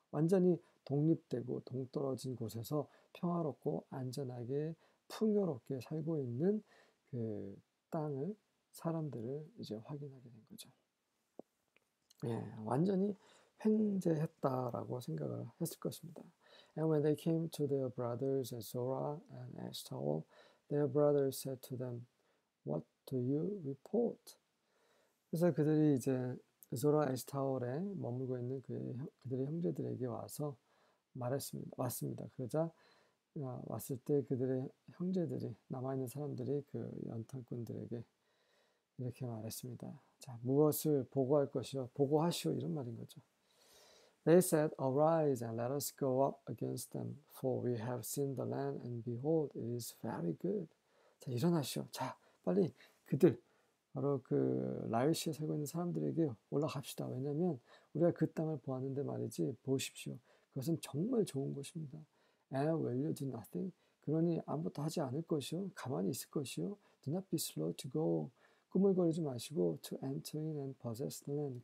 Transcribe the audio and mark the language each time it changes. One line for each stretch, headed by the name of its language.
Korean: 완전히 독립되고 동떨어진 곳에서 평화롭고 안전하게 풍요롭게 살고 있는 그 땅을 사람들을 이제 확인하게 된 거죠. 완전히 횡재했다라고 생각을 했을 것입니다.
English: And when they came to their brothers and Zorah and Eshtaol, their brothers said to them, What do you report?
Korean: 그래서 그들이 이제 Zorah, Eshtaol에 머물고 있는 그들의 형제들에게 와서 말했습니다. 왔습니다. 그러자 왔을 때 그들의 형제들이 남아 있는 사람들이 그 연탄꾼들에게 이렇게 말했습니다. 자, 무엇을 보고할 것이요? 보고하시오 이런 말인 거죠.
English: They said, "Arise and let us go up against them, for we have seen the land, and behold, it is very good."
Korean: 자, 일어나시오. 자, 빨리 그들 바로 그 라이시에 살고 있는 사람들에게 올라갑시다. 왜냐하면 우리가 그 땅을 보았는데 말이지, 보십시오. 그것은 정말 좋은 곳입니다.
English: And will you do nothing?
Korean: 그러니 아무것도 하지 않을 것이요. 가만히 있을 것이요.
English: Do not be slow to go.
Korean: 꾸물거리지 마시고
English: to enter in and possess the land.